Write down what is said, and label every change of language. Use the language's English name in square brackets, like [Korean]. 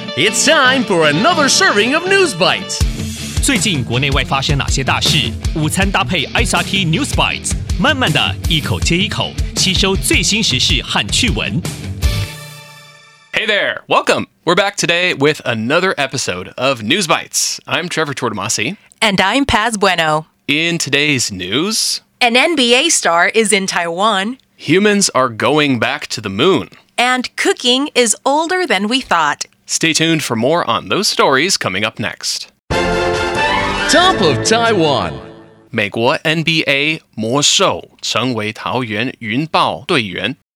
[English] It's time for another serving of News Bites. [Chinese] 最近国内外发生哪些大事？午餐搭配 SRT News Bites， 慢慢的一口接一口，吸收最新时事和趣闻。 [English] Hey there, welcome. We're back today with another episode of News Bites. I'm Trevor Tortomasi. And I'm Paz Bueno. In today's news, an NBA star is in Taiwan. Humans are going back to the moon. And cooking is older than we thought. Stay tuned for more on those stories coming up next. Top of Taiwan. [Chinese] 美国 NBA 魔兽成为桃园云豹队员。